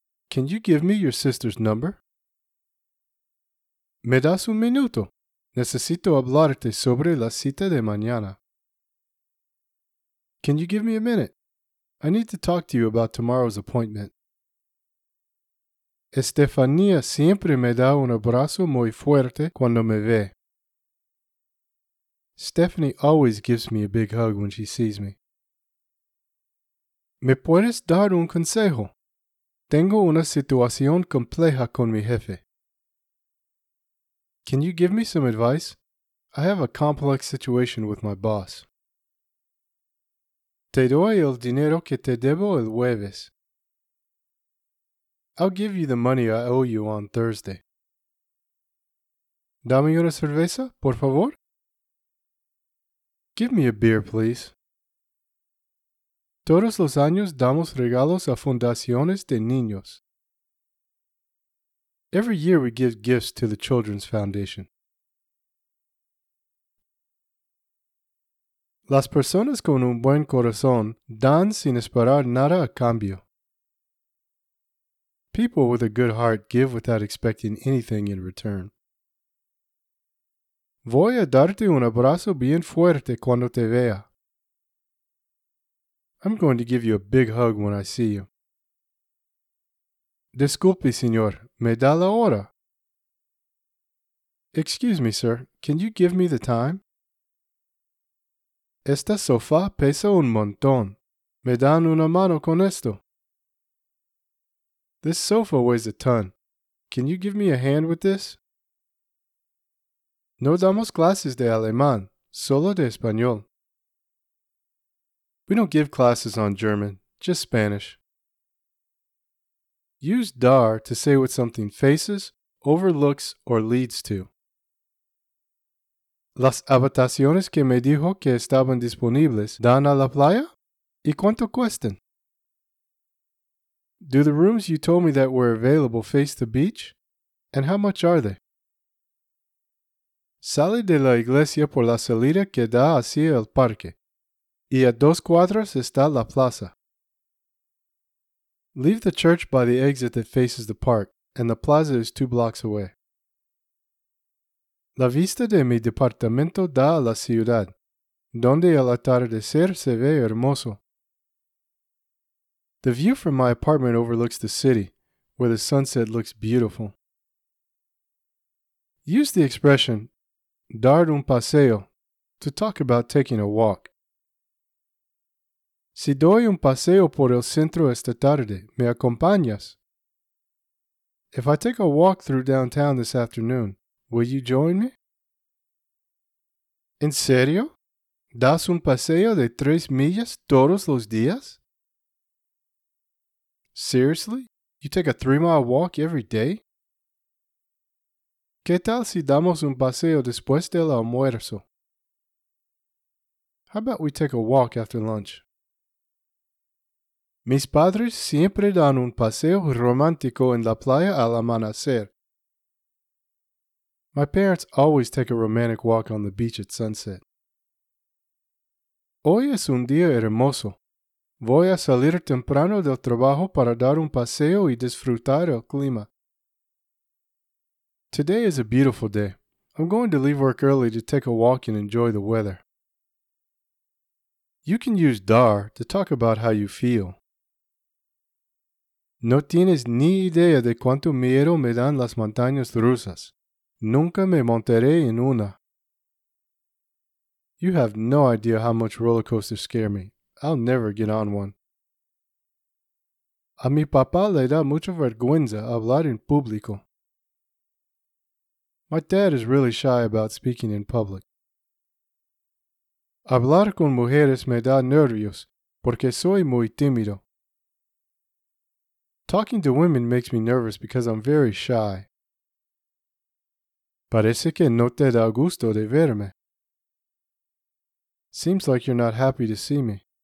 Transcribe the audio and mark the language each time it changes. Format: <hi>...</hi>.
<en>Can you give me your sister's number?</en> <es>¿Me das un minuto? Necesito hablarte sobre la cita de mañana.</es> <en>Can you give me a minute? I need to talk to you about tomorrow's appointment.</en> <es>Estefanía siempre me da un abrazo muy fuerte cuando me ve.</es> <en>Stephanie always gives me a big hug when she sees me.</en> <es>¿Me puedes dar un consejo? Tengo una situación compleja con mi jefe.</es> <en>Can you give me some advice? I have a complex situation with my boss.</en> <es>Te doy el dinero que te debo el jueves.</es> <en>I'll give you the money I owe you on Thursday.</en> <es>Dame una cerveza, por favor.</es> <en>Give me a beer, please.</en> <es>Todos los años damos regalos a fundaciones de niños.</es> <en>Every year we give gifts to the Children's Foundation.</en> <es>Las personas con un buen corazón dan sin esperar nada a cambio.</es> <en>People with a good heart give without expecting anything in return.</en> <es>Voy a darte un abrazo bien fuerte cuando te vea.</es> <en>I'm going to give you a big hug when I see you.</en> <es>Disculpe, señor, ¿me da la hora?</es> <en>Excuse me, sir, can you give me the time?</en> <es>Esta sofá pesa un montón. ¿Me dan una mano con esto?</es> <en>This sofa weighs a ton. Can you give me a hand with this?</en> <es>No damos clases de alemán, solo de español.</es> <en>We don't give classes on German, just Spanish. Use dar to say what something faces, overlooks, or leads to.</en> <es>Las habitaciones que me dijo que estaban disponibles dan a la playa? ¿Y cuánto cuestan?</es> <en>Do the rooms you told me that were available face the beach? And how much are they?</en> <es>Sale de la iglesia por la salida que da hacia el parque. Y a dos cuadras está la plaza.</es> <en>Leave the church by the exit that faces the park, and the plaza is two blocks away.</en> <es>La vista de mi departamento da a la ciudad, donde el atardecer se ve hermoso.</es> <en>The view from my apartment overlooks the city, where the sunset looks beautiful. Use the expression, dar un paseo, to talk about taking a walk.</en> <es>Si doy un paseo por el centro esta tarde, ¿me acompañas?</es> <en>If I take a walk through downtown this afternoon, will you join me?</en> <es>¿En serio? ¿Das un paseo de 3 millas todos los días?</es> <en>Seriously? You take a 3-mile walk every day?</en> <es>¿Qué tal si damos un paseo después del almuerzo?</es> <en>How about we take a walk after lunch?</en> <es>Mis padres siempre dan un paseo romántico en la playa al amanecer.</es> <en>My parents always take a romantic walk on the beach at sunset.</en> <es>Hoy es un día hermoso. Voy a salir temprano del trabajo para dar un paseo y disfrutar el clima.</es> <en>Today is a beautiful day. I'm going to leave work early to take a walk and enjoy the weather. You can use dar to talk about how you feel.</en> <es>No tienes ni idea de cuánto miedo me dan las montañas rusas. Nunca me montaré en una.</es> <en>You have no idea how much roller coasters scare me. I'll never get on one.</en> <es>A mi papá le da mucha vergüenza hablar en público.</es> <en>My dad is really shy about speaking in public.</en> <es>Hablar con mujeres me da nervios porque soy muy tímido.</es> <en>Talking to women makes me nervous because I'm very shy.</en> <es>Parece que no te da gusto de verme.</es> <en>Seems like you're not happy to see me.</en>